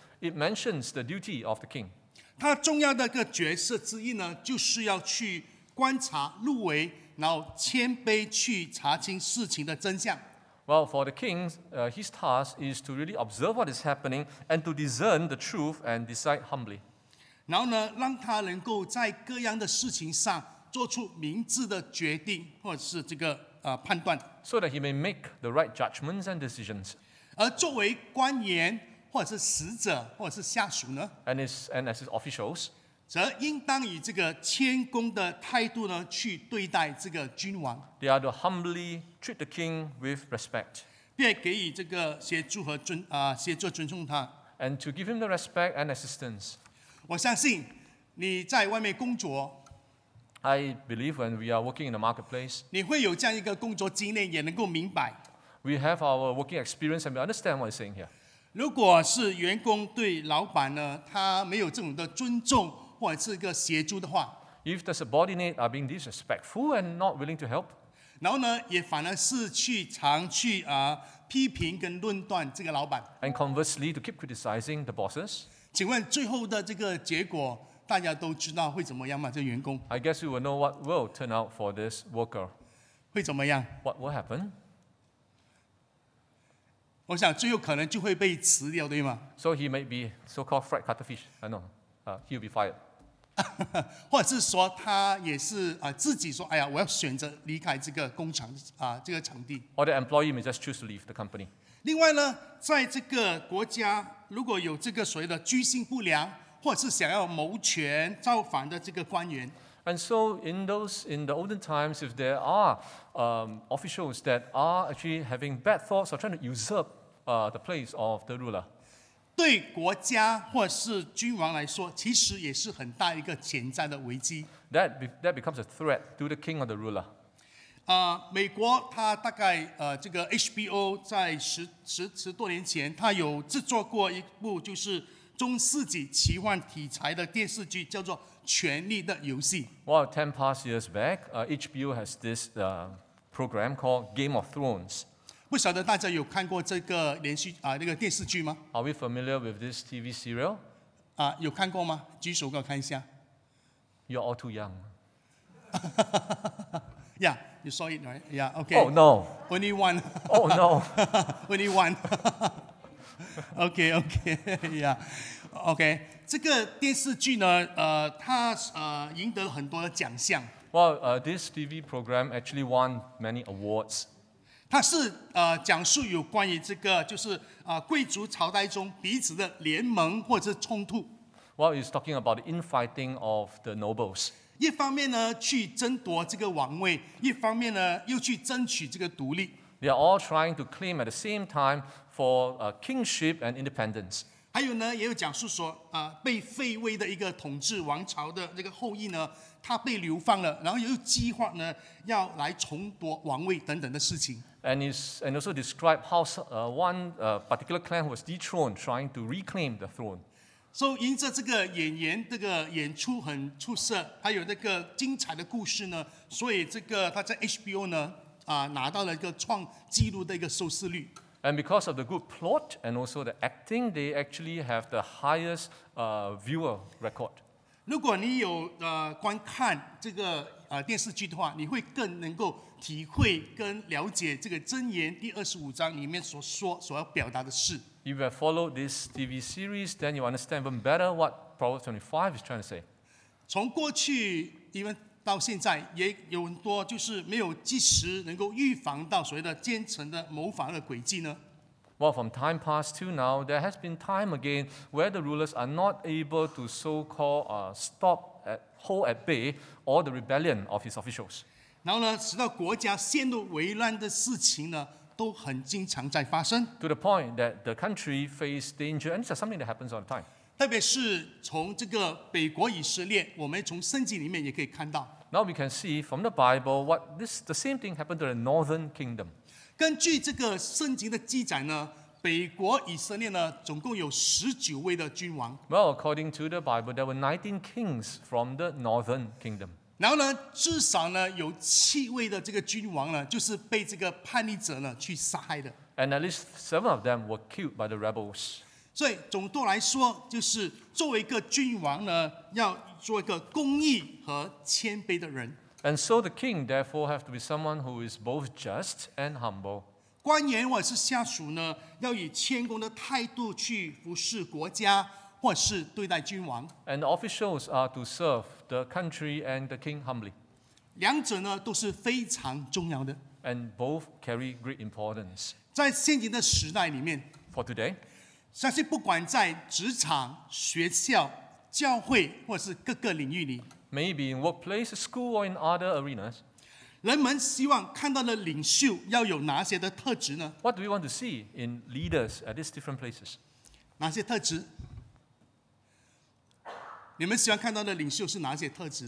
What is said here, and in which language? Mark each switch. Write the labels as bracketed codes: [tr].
[en] it mentions the duty of the king. [zh] 他重要的一个角色之一呢, 就是要去观察入微, 然后谦卑去查清事情的真相。 [en] Well, for the king, his task is to really observe what is happening and to discern the truth and decide humbly. [zh] 然后呢, 让他能够在各样的事情上做出明智的决定, 或者是这个, [en] 判断, so that he may make the right judgments and decisions. [zh] 而作为官员, 或者是使者, 或者是下属呢, [en] and as his officials, [zh] 则应当以这个谦恭的态度呢, 去对待这个君王, [en] they are to humbly treat the king with respect, [zh] 并给予这个协助和尊, 协助尊重他, [en] and to give him the respect and assistance. [zh] 我相信你在外面工作, [en] I believe when we are working in the marketplace, [zh] 你会有这样一个工作经验也能够明白, [en] we have our working experience and we understand what he's saying here. [zh] 如果是员工对老板呢, 他没有这种的尊重, 或者是一个协助的话, [en] if the subordinate are being disrespectful and not willing to help, [zh] 然后呢, 也反而是去常去, 批评跟论断这个老板, [en] and conversely to keep criticizing the bosses, [zh] 请问最后的这个结果, 大家都知道会怎么样吗, 这个员工? [en] I guess we will know what will turn out for this worker. [zh] 会怎么样? [en] What will happen? [zh] 我想最后可能就会被辞掉, 对吗? [en] So he may be so-called fried cuttlefish. He'll be fired. [zh] 或者是说他也是, 自己说, 哎呀, 我要选择离开这个工厂, 这个场地。 [en] Or the employee may just choose to leave the company. [zh] 另外呢, 在这个国家, 如果有这个所谓的居心不良, 或者是想要谋权造反的这个官员, [en] and so in the olden times, if there are officials that are actually having bad thoughts or trying to usurp the place of the ruler, [zh] 对国家或是君王来说, 其实也是很大一个潜在的危机, [en] that becomes a threat to the king or the ruler. [zh] 美国它大概, 这个 HBO 在十多年前, 它有制作过一部就是 中世纪奇幻题材的电视剧叫做《权力的游戏》。 [en] Well, 10 past years back, HBO has this program called Game of Thrones. [zh] 不晓得大家有看过这个连续, 那个电视剧吗? [en] Are we familiar with this TV serial? [zh] 有看过吗?举手给我看一下。 [en] You're all too young. Yeah, you saw it, right? Yeah, okay. Oh, no. Only one. Oh, no. Only one. Okay, okay, yeah. [zh] Okay, 这个电视剧呢, 它, 赢得了很多的奖项。 [en] Well, this TV program actually won many awards. [zh] 它是, 讲述有关于这个, 就是, 贵族朝代中彼此的联盟或者冲突。 [en] Well, it's talking about the infighting of the nobles. [zh] 一方面呢, 去争夺这个王位, 一方面呢, 又去争取这个独立。 [en] They are all trying to claim at the same time for kingship and independence. [zh] 还有呢，也有讲述说，被废位的一个统治王朝的那个后裔呢，他被流放了，然后又计划呢要来重夺王位等等的事情。 [en] And also describe how one particular clan was dethroned, trying to reclaim the throne. [zh] So, 因着这个演员这个演出很出色，还有那个精彩的故事呢，所以这个他在 HBO 呢拿到了一个创纪录的一个收视率。 [en] And because of the good plot and also the acting, they actually have the highest viewer record. [zh] 如果你有观看这个电视剧的话，你会更能够体会跟了解这个箴言第二十五章里面所要表达的事。 [en] If you have followed this TV series, then you understand even better what Proverbs 25 is trying to say. [zh] 从过去even到现在，也有很多就是没有及时能够预防到所谓的奸臣的谋反的诡计呢。 [en] Well, from time past to now, there has been time again where the rulers are not able to so-called hold at bay all the rebellion of his officials. [zh] 然后呢，使到国家陷入危难的事情呢，都很经常在发生。 [en] To the point that the country faced danger, and it's something that happens all the time. [zh] 特别是从这个北国以色列，我们从圣经里面也可以看到。 [en] Now we can see from the Bible what this the same thing happened to the northern kingdom. [zh] 根据这个圣经的记载呢，北国以色列呢，总共有十九位的君王。 [en] Well, according to the Bible, there were 19 kings from the northern kingdom. [zh] 然后呢，至少呢有七位的这个君王呢，就是被这个叛逆者呢去杀害的。 [en] And at least 7 of them were killed by the rebels. [zh] 所以总的来说，就是作为一个君王呢，要做一个公义和谦卑的人。 [en] And so the king therefore have to be someone who is both just and humble. [zh] 官员或者是下属呢，要以谦恭的态度去服侍国家，或者是对待君王。 [en] And officials are to serve the country and the king humbly. [zh] 两者呢都是非常重要的。 [en] And both carry great importance. [zh] 在现今的时代里面 [en] ，For today. [zh] 相信不管在职场、学校、教会，或是各个领域里 [en] ，maybe in workplace, school, or in other arenas， [zh] 人们希望看到的领袖要有哪些的特质呢 [en] ？What do we want to see in leaders at these different places？ [zh] 哪些特质？你们喜欢看到的领袖是哪些特质